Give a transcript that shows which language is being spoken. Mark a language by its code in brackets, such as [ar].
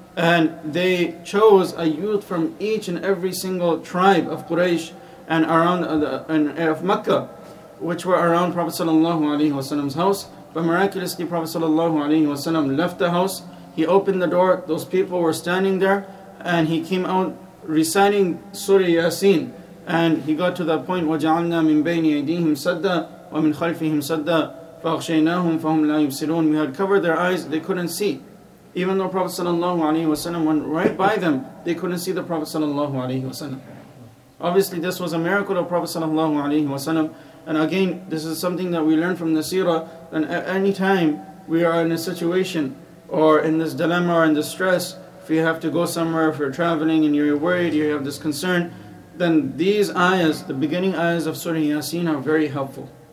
[en] And they chose a youth from each and every single tribe of Quraysh and around of Makkah, which were around Prophet sallallahu alayhi wa sallam's house. But miraculously, Prophet sallallahu alayhi wa sallam left the house. He opened the door. Those people were standing there. And he came out reciting Surah Yasin. [ar] And he got to that point, وَجَعَلْنَا مِنْ بَيْنِ أَيْدِيهِمْ سَدَّ وَمِنْ خَلْفِهِمْ سَدَّ فَأَغْشَيْنَاهُمْ فَهُمْ لَا يُبْصِرُونَ [en] We had covered their eyes. They couldn't see. Even though Prophet sallallahu alayhi wa sallam went right by them, they couldn't see the Prophet sallallahu alayhi wa sallam. Obviously, this was a miracle of Prophet sallallahu alayhi wa sallam. And again, this is something that we learn from the seerah, that at any time we are in a situation or in this dilemma or in distress, if you have to go somewhere, if you're traveling and you're worried, you have this concern, then these ayahs, the beginning ayahs of Surah Yasin, are very helpful.